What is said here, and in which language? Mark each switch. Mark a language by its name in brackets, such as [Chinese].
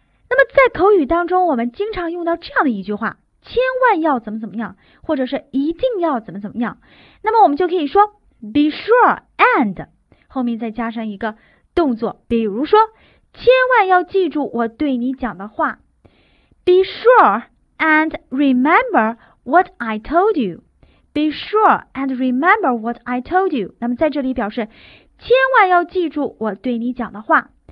[Chinese] 那么在口语当中，我们经常用到这样的一句话：千万要怎么怎么样，或者是一定要怎么怎么样。那么我们就可以说 be sure and。后面再加上一个动作，比如说，千万要记住我对你讲的话。 [English] Be sure and remember what I told you. Be sure and remember what I told you. [Chinese] 那么在这里表示，千万要记住我对你讲的话。